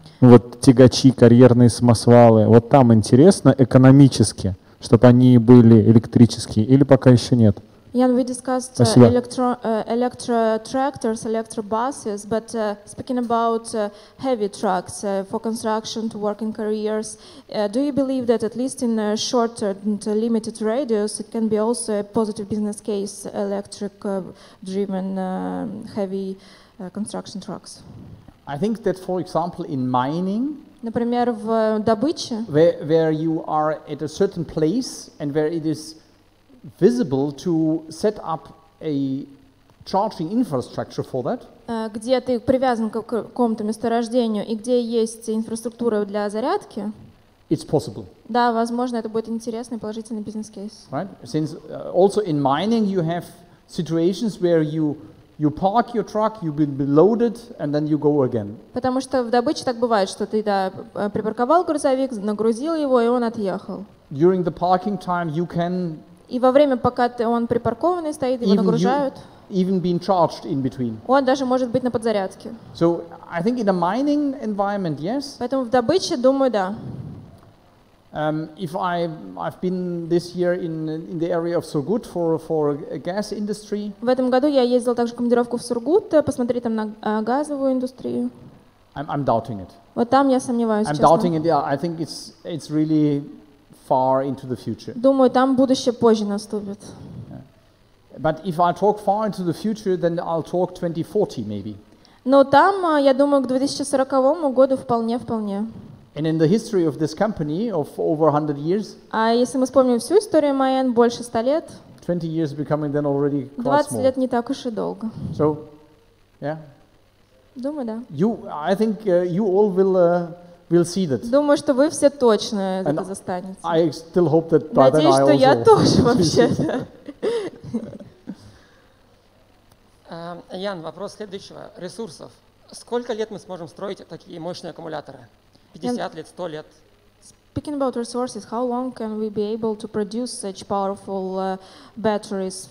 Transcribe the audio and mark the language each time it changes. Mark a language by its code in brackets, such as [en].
[ru] вот тягачи, карьерные самосвалы, вот там интересно экономически, чтобы они были электрические, или пока еще нет? [en] Jan, we discussed electro tractors, electro buses, but speaking about heavy trucks for construction to working careers, do you believe that at least in a short and limited radius, it can be also a positive business case, electric driven heavy construction trucks? I think that, for example, in mining, [ru] например, в добыче, [en] where you are at a certain place and where it is visible to set up a charging infrastructure for that. [ru] Где ты привязан к какому-то месторождению и где есть инфраструктура для зарядки? [en] It's possible. [ru] Да, возможно, это будет интересный положительный бизнес-кейс. [en] Right? Since also in mining you have situations where you park your truck, you will be loaded, and then you go again. [ru] Потому что в добыче так бывает, что ты да припарковал грузовик, нагрузил его и он отъехал. [en] During the parking time you can. [ru] И во время, пока он припаркованный стоит, его нагружают. [en] Even being charged in between. [ru] Он даже может быть на подзарядке. [en] So, I think in a mining environment, yes. [ru] Поэтому в добыче, думаю, да. [en] If I've been this year in the area of Surgut for a gas industry. [ru] В этом году я ездил также в командировку в Сургут, посмотреть там на газовую индустрию. [en] I'm doubting it. [ru] Вот там я сомневаюсь, [en] I'm [ru] честно. [en] Doubting it, yeah. I think it's really far into the future. [ru] Думаю, там будущее позже наступит. [en] But if I talk far into the future, then I'll talk 2040 maybe. [ru] Но там, я думаю, к 2040 году вполне. [en] And in the history of this company of over 100 years? [ru] А если мы вспомним всю историю Mayan, больше 100 лет. [en] 20 years becoming then already quite small. [ru] 20 лет не так уж и долго. [en] So, yeah. [ru] Думаю, да. [en] We'll see that. [ru] Думаю, что вы все точно это застанете. [en] I still hope that by [ru] Надеюсь, [en] then I [ru] что [en] also [ru] я тоже вообще. Ян, вопрос следующего. Ресурсов. Сколько лет мы сможем строить такие мощные аккумуляторы? 50 лет, 100 лет? [en] Speaking about resources, how long can we be able to produce such powerful batteries?